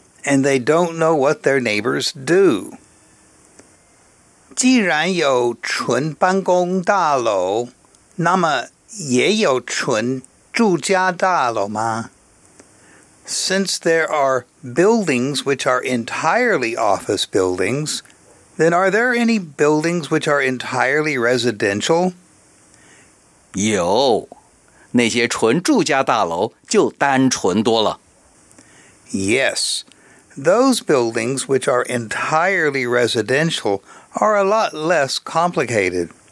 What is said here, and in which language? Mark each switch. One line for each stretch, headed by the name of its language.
English: And they don't know what their neighbors do.
Chinese: 既然有纯办公大楼, 那么也有纯住家大楼吗?
English: Since there are buildings which are entirely office buildings, then are there any buildings which are entirely residential?
Chinese: 有,那些纯住家大楼就单纯多了。
English: Yes. Those buildings which are entirely residential are a lot less complicated.